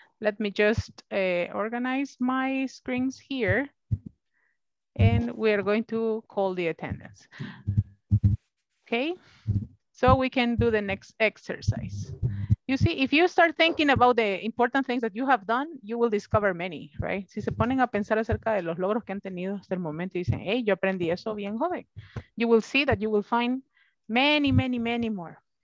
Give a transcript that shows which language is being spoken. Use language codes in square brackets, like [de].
[en] Let me just organize my screens here and we are going to call the attendance. Okay. So we can do the next exercise. You see, if you start thinking about the important things that you have done, you will discover many, right? [es] Si se ponen a pensar acerca de los logros que han tenido hasta el momento y dicen, hey, yo aprendí eso bien joven. [en] You will see that you will find many, many, many more.